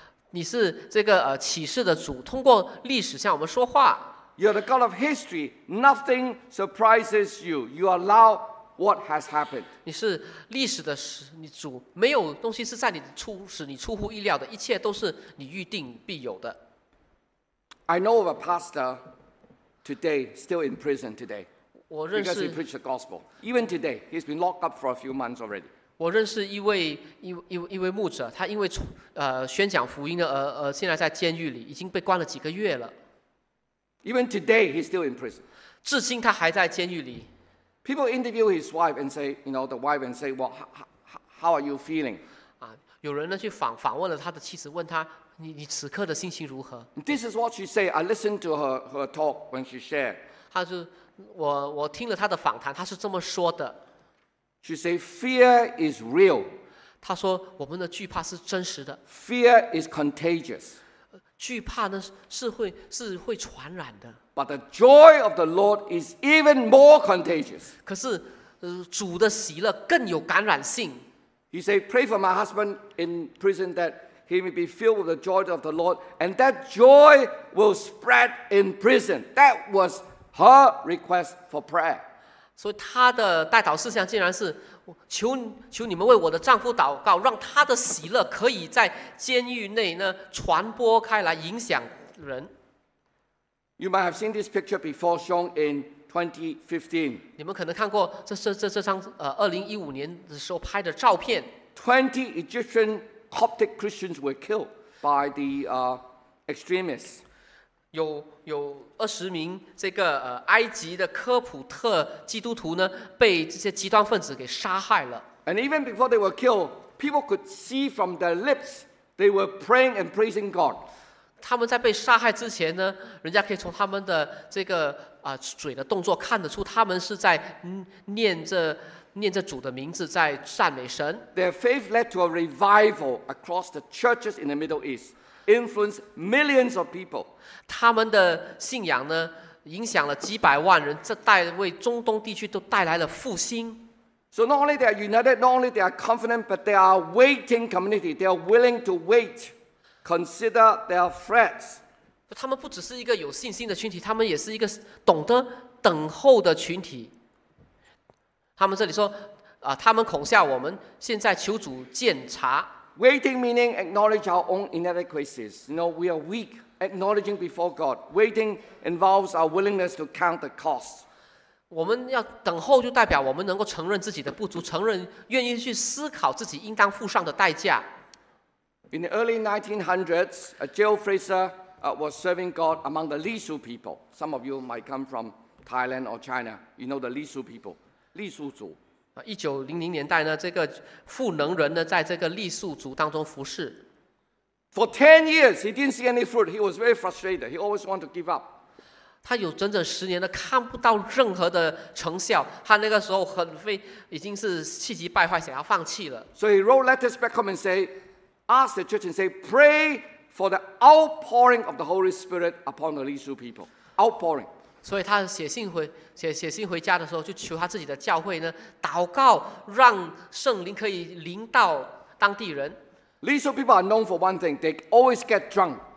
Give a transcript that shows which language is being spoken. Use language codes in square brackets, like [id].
[zh] 你是这个启示的主，通过历史向我们说话。 [en] You are the God of history. Nothing surprises you. You allow. What has happened? [zh] 你是历史的你主，没有东西是在你使你出乎意料的，一切都是你预定必有的。 [en] I know of a pastor today still in prison today. [zh] 我认识 [en] because he preached the gospel. Even today, he's been locked up for a few months already. [zh] 我认识一位牧者，他因为宣讲福音的现在在监狱里，已经被关了几个月了。 [en] Even today, he's still in prison. [zh] 至今他还在监狱里。 [en] People interview his wife and say, you know, the wife and say, well, how are you feeling? [zh] 啊，有人呢去访问了他的妻子，问他你此刻的心情如何 [en] ？This is what she said. I listened to her talk when she shared. [zh] 他是我听了他的访谈，他是这么说的。 [en] She said, fear is real. [zh] 他说我们的惧怕是真实的。 [en] Fear is contagious. [zh] 惧怕呢是会传染的。 [en] But the joy of the Lord is even more contagious. [zh] 可是，主的喜乐更有感染性。 [en] He said, "Pray for my husband in prison that he may be filled with the joy of the Lord, and that joy will spread in prison." That was her request for prayer. [zh] 所以她的代祷事项竟然是求你们为我的丈夫祷告，让他的喜乐可以在监狱内呢传播开来，影响人。 [en] You might have seen this picture before, shown in 2015. [zh] 你们可能看过这张2015年的时候拍的照片。 [en] 20 Egyptian Coptic Christians were killed by the extremists. [zh] 有20名这个埃及的科普特基督徒呢，被这些极端分子给杀害了。 [en] And even before they were killed, people could see from their lips they were praying and praising God. [zh] 他们在被杀害之前呢，人家可以从他们的这个嘴的动作看得出，他们是在念着主的名字，在赞美神。 [en] Their faith led to a revival across the churches in the Middle East, influenced millions of people. [zh] 他们的信仰呢，影响了几百万人，这带为中东地区都带来了复兴。 [en] So not only they are united, not only they are confident, but they are waiting community. They are willing to wait. Consider their threats. [zh] 他们不只是一个有信心的群体，他们也是一个懂得等候的群体。他们这里说，他们恐吓我们，现在求主鉴察。 [en] Waiting meaning acknowledge our own inadequacies. You know, we are weak. Acknowledging before God. Waiting involves our willingness to count the cost. [zh] 我们要等候，就代表我们能够承认自己的不足，承认愿意去思考自己应当付上的代价。 [en] In the early 1900s, a jail officer was serving God among the Lee Su people. Some of you might come from Thailand or China. You know the Lee Su people, Lee Su 族。 [zh] 1900年代呢，这个赋能人呢，在这个傈僳族当中服侍。 [en] For 10 years, he didn't see any fruit. He was very frustrated. He always wanted to give up. [zh] 他有整整十年的看不到任何的成效，他那个时候已经是气急败坏，想要放弃了。 [en] So he wrote letters back home and say,Ask the church and say, pray for the outpouring of the Holy Spirit upon the Lee Su people. Outpouring. [zh] 所以他写信回家的时候，就求他自己的教会呢祷告，让圣灵可以临到当地人。 [en] Lee Su people are known for one thing: they always get drunk.